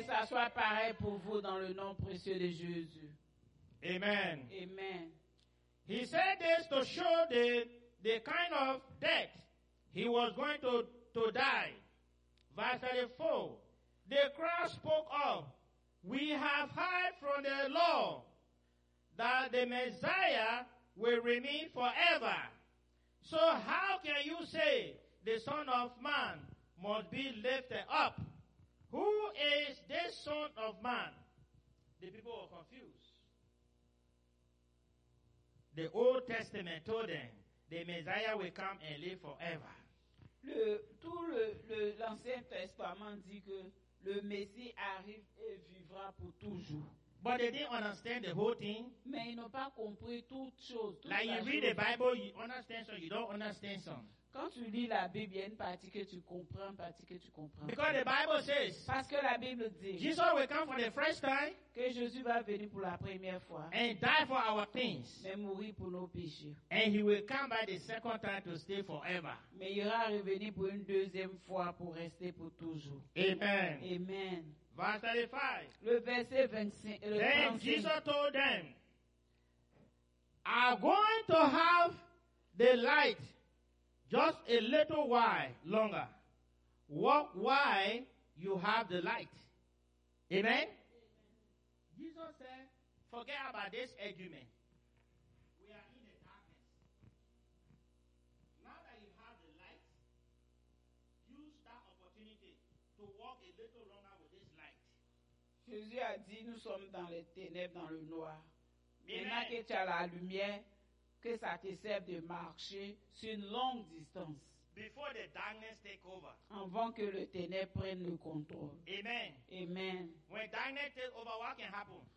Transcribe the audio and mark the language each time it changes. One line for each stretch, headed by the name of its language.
French: Et ça soit pareil pour vous dans le nom précieux de Jésus.
English: Amen.
French: Amen.
English: He said this to show the kind of death he was going to die. Verse 34. The cross spoke of, we have heard from the law that the Messiah will remain forever. So how can you say the Son of Man must be lifted up? Who is this Son of Man? The people were confused. The Old Testament told them, the Messiah will come and live forever.
French: L'Ancien Testament dit que le Messie arrive et vivra pour toujours.
English: But they didn't understand the whole thing.
French: Mais ils n'ont pas compris toute chose.
English: Like you read the Bible, you understand some, you don't understand some.
French: Quand tu lis la Bible, il y a une partie que tu comprends, une partie que tu comprends.
English: Because the Bible says,
French: parce que la Bible dit,
English: Jesus will come for the first time,
French: que Jésus va venir pour la première fois,
English: and die for our sins,
French: mais mourir pour nos péchés,
English: and he will come by the second time to stay forever.
French: Mais il va revenir pour une deuxième fois pour rester pour toujours.
English: Amen.
French: Amen.
English: Verse 35.
French: Le verset 25. Le
English: then
French: 35.
English: Jesus told them, "Are going to have the light." Just a little while longer. Walk while you have the light. Amen? Amen? Jesus said, forget about this argument. We are in the darkness. Now that you have the light, use that opportunity to walk a little longer with this light.
French: Jésus a dit, nous sommes dans les ténèbres, dans le noir. Maintenant que tu as la lumière, que ça te serve de marcher sur une longue distance.
English: Before the darkness take over.
French: Avant que le ténèbre prenne le contrôle.
English: Amen.
French: Amen.
English: When darkness take over, what can happen?